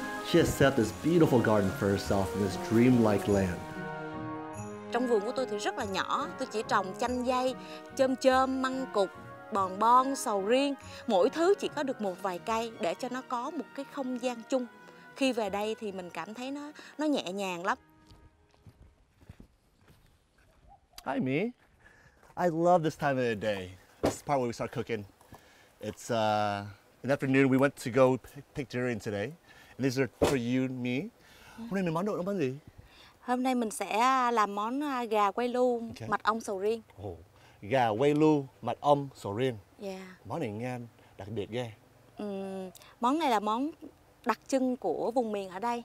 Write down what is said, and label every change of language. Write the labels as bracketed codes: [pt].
[en] She has set up this beautiful garden for herself in this dreamlike land. [vi] Trong vườn của tôi thì rất là nhỏ, tôi chỉ trồng chanh dây, chôm chôm, măng cục, bòn bon, sầu riêng. Mỗi thứ chỉ có được một vài cây để cho nó có một cái không gian chung. Khi về đây thì mình cảm thấy nó nhẹ nhàng lắm. [en] Hi Mi, I love this time of the day. This is part where we start cooking. It's an afternoon, we went to go pick durian today. And these are for you and me. [vi] Hôm nay mình món đồ nó món gì? Hôm nay mình sẽ làm món gà quay lu, okay, mật ong sầu riêng. Oh. Gà quay lu, mật ong sầu riêng. Yeah. Món này nghe đặc biệt ghê. Món này là món đặc trưng của vùng miền ở đây.